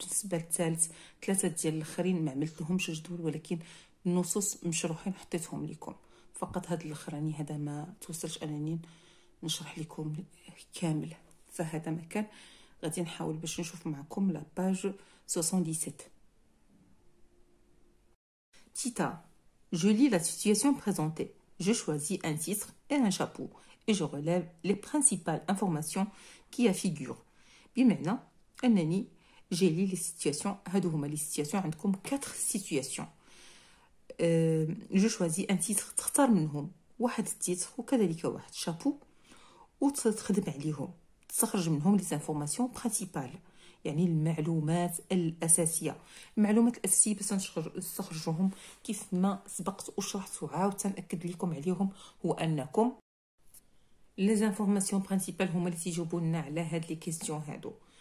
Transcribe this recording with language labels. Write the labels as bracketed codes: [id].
[ar] بالنسبه للثالث ثلاثه ديال الاخرين ما عملت لهمش جدول ولكن النصوص مشروحين حطيتهم لكم. فقط هاد الاخراني هذا ما توصلش انني نشرح لكم كامل. فهذا مكان غادي نحاول باش نشوف معكم لاباج 77. [fr] Tita, je lis la situation présentée. Je choisis un titre et un chapeau et je relève les principales informations qui y figurent. Bien maintenant, Anani, j'ai lu les situations. Hadouma, les situations, عندكم 4 situations. Je choisis un titre, [ar] تختار منهم واحد [fr] titre ou [ar] كذلك واحد [fr] chapeau ou [ar] تخدم عليهم. تخرج منهم [fr] les informations principales. [ar] يعني المعلومات الاساسيه. المعلومات الاساسيه باش نخرجوهم كيف ما سبقت وشرحت وعاود تنأكد لكم عليهم هو انكم [fr] لي زانفورماسيون برينسيبال [ar] هما اللي تيجاوبوا لنا على هاد لي كيسيون هادو.